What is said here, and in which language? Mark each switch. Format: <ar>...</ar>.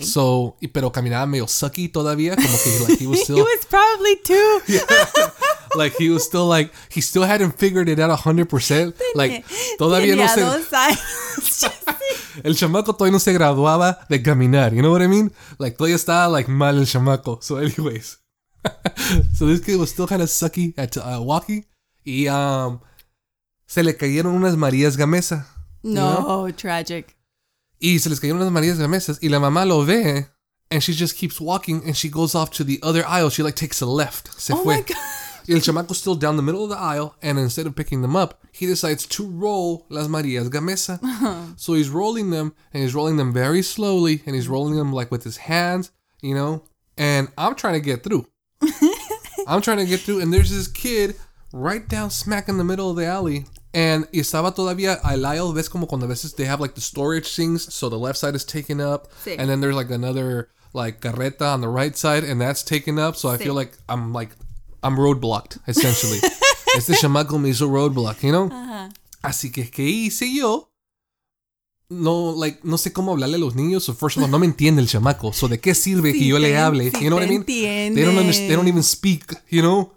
<es>So, pero caminaba medio sucky todavía. Como que, like,</es> <en>he was still. He was probably 2. Yeah. Like, he was still like, he still hadn't figured it out 100%.</en> <es>Like, todavía no se. Dos años. El chamaco todavía no se graduaba de caminar.</es> <en>You know what I mean? Like,</en> <es>todavía estaba, like, mal el chamaco.</es> <en>So, anyways. So this kid was still kind of sucky at walking.</en> <es>Y se le cayeron unas Marías Gamesa.</es> <en>No, you know? Tragic.</en> <es>Y se les cayeron unas Marías Gamesa. Y la mamá lo ve.</es> <en>And she just keeps walking. And she goes off to the other aisle. She like takes a left.</en> <es>Se oh fue.</es> <en>My God.</en> <es>Y el chamaco's</es> <en>still down the middle of the aisle. And instead of picking them up, he decides to roll las Marías Gamesa. So he's rolling them. And he's rolling them very slowly. And he's rolling them like with his hands, you know. And I'm trying to get through. I'm trying to get through, and there's this kid right down smack in the middle of the alley. And</en> <es>estaba todavía al aisle. Ves como cuando a veces</es> <en>they have like the storage things, so the left side is taken up,</en> <es>sí.</es> <en>And then there's like another like</en> <es>carreta</es> <en>on the right side, and that's taken up. So I</en> <es>sí.</es> <en>feel like I'm roadblocked essentially.</en> <es>Este chamaco me hizo roadblock,</es> <en>you know. Uh-huh.</en> <es>Así que qué hice yo. No, like, no sé cómo hablarle a los niños.</es> <en>So first of all,</en> <es>no me entiende el chamaco. So de qué sirve sí, que yo le hable, sí,</es> <en>you know what I mean?</en> <es>Entienden.</es> <en>They don't understand, they don't even speak, you know?</en>